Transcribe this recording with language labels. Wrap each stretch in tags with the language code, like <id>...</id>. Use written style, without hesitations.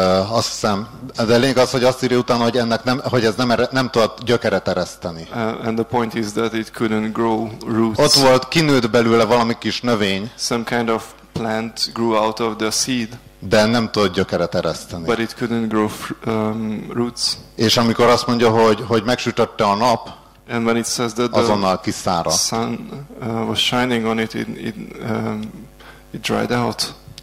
<hu>Azt hiszem, de lényeg az, hogy azt írja utána, hogy ennek nem, hogy ez nem tudott gyökeret ereszteni.</hu> <en>And the point is that it couldn't grow roots.</en> <hu>Ott volt, kinőtt belőle valami kis növény.</hu> <en>Some kind of plant grew out of the seed.</en> <hu>De nem tudott gyökeret ereszteni.</hu> <en>But it couldn't grow roots.</en> <hu>És amikor azt mondja, hogy megsütötte a nap.</hu> <en>And when it says that the sun was shining on it, it dried out.</en>